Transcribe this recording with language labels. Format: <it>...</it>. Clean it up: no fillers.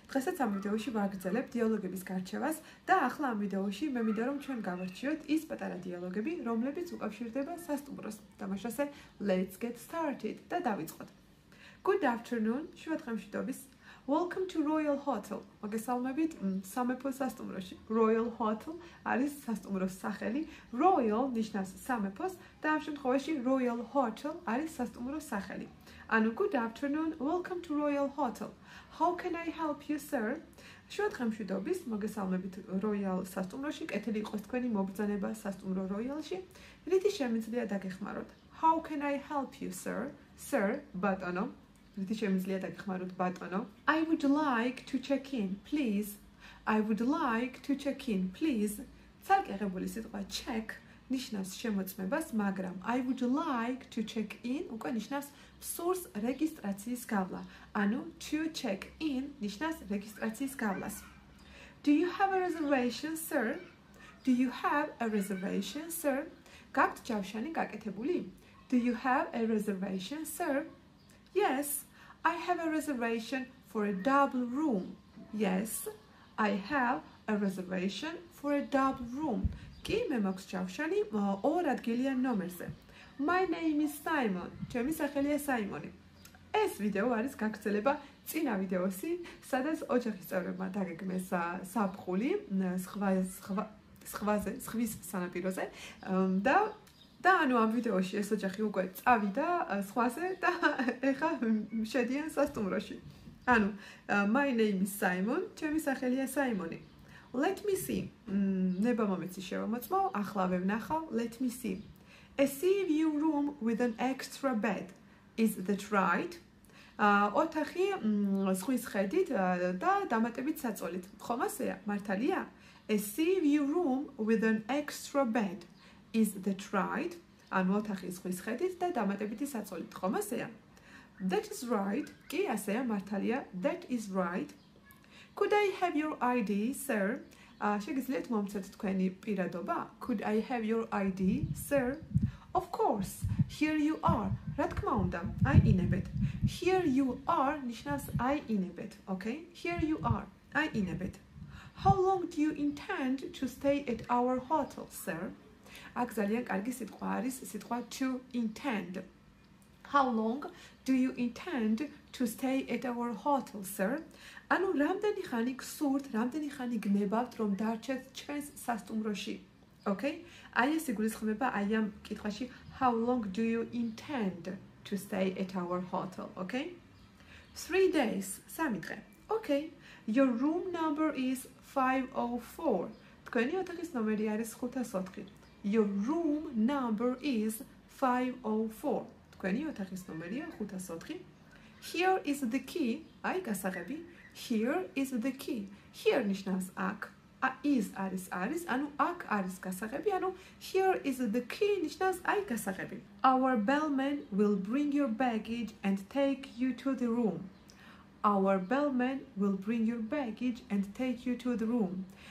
<ka>დღესაც ამ ვიდეოში ვაგრძელებ დიალოგების გარჩევას და ახლა ამ ვიდეოში მე მინდა რომ ჩვენ გავარჩიოთ ის პატარა დიალოგები, რომლებიც უკავშირდება სასტუმროს. თამაშაზე</ka> <en>let's get started</en> <ka>და დავიწყოთ.</ka> <en>Good afternoon,</en> <ka>შუადღემშვიდობის.</ka> <en>Welcome to Royal Hotel.</en> <ka>მოგესალმებით სამეფო სასტუმროში. Royal Hotel არის სასტუმროს სახელი. Royal ნიშნავს სამეფოს და ამ შემთხვევაში Royal Hotel არის სასტუმროს სახელი.</ka> <en>Anu, good afternoon. Welcome to Royal Hotel. How can I help you, sir?</en> <ka>შუადღემშვიდობის, მოგესალმებით Royal სასტუმროში. კეთილი იყოს თქვენი მობრძანება სასტუმრო Royal-ში. რითი შემიძლია დაგეხმაროთ?</ka> <en>How can I help you, sir?</en> <ka>Sir, ბატონო. რითი შემიძლია დაგეხმაროთ, ბატონო?</ka> <en>I would like to check in, please. I would like to check in, please.</en> <ka>ცალკეღებული სიტყვა check ნიშნავს შემოწმებას, მაგრამ</ka> <en>I would like to check in</en> <ka>უკვე ნიშნავს სურს რეგისტრაციის გავლა. ანუ to check in ნიშნავს რეგისტრაციის გავლას.</ka> <en>Do you have a reservation, sir? Do you have a reservation, sir?</en> <ka>გაქვთ ჯავშანი გაკეთებული?</ka> <en>Do you have a reservation, sir? Yes, I have a reservation for a double room. Yes, I have a reservation for a double room.</en> <ka>კი, მე მაქვს ჯავშანი ორ ადგილიან ნომერზე.</ka> <en>My name is Simon.</en> <ka>ჩემი სახელია საიმონი. ეს ვიდეო არის გაგრძელება წინა ვიდეოსი, სადაც ოჯახის წევრებმა დაგეგმეს საფხული სხვის სანაპიროზე და ანუ ამ ვიდეოში ეს ოჯახი უკვე წავიდა სხვაზე და ეხა შედიან სასტუმროში.</ka> <en>ანუ My name is Simon.</en> <ka>ჩემი სახელია საიმონი.</ka> <en>Let me see.</en> <ka>ნება მომეცი შევამოწმო, ახლა ვნახავ.</ka> <en>Let me see. A sea view room with an extra bed. Is that right?</en> <ka>ოთახი ზღვის ხედით და დამატებით საწოლით. ხომ ასეა? მართალია?</ka> <en>A sea view room with an extra bed. Is that right?</en> <ka>ანუ ოთახი ზღვის ხედით და დამატებითი საწოლით. ხომ ასეა?</ka> <en>That is right.</en> <ka>კი, ასეა, მართალია.</ka> <en>That is right. Could I have your ID, sir?</en> <ka>შეგიძლიათ მომცეთ თქვენი პირადობა?</ka> <en>Could I have your ID, sir? Of course. Here you are.</en> <ka>რა თქმა უნდა, აი ინებეთ.</ka> <en>Here you are</en> <ka>ნიშნავს აი ინებეთ,</ka> <en>okay? Here you are.</en> <ka>აი ინებეთ.</ka> <en>How long do you intend to stay at our hotel, sir?</en> <ka>აქ ძალიან კარგი სიტყვა არის, სიტყვა to intend.</ka> <en>How long do you intend to stay at our hotel, sir?</en> <ka>ანუ რამდენი ხანი გსურთ, რამდენი ხანი გნებავთ რომ დარჩეთ ჩვენს სასტუმროში?</ka> <en>Okay?</en> <ka>აი ეს იგულისხმება აი ამ კითხვაში</ka> <en>How long do you intend to stay at our hotel? Okay? 3 days.</en> <ka>სამი დღე.</ka> <en>Okay. Your room number is 504.</en> <ka>თქვენი ოთახის ნომერი არის 504.</ka> <en>Your room number is 504.</en> <ka>თქვენი ოთახის ნომერია 504.</ka> <en>Here is the key.</en> <ka>აი გასაღები.</ka> <en>Here is the key.</en> <ka>Here ნიშნავს აქ. Is არის, ანუ აქ არის გასაღები, ანუ</ka> <en>here is the key</en> <ka>ნიშნავს აი გასაღები.</ka> <en>Our bellman will bring your baggage and take you to the room. Our bellman will bring your baggage and take you to the room.</en>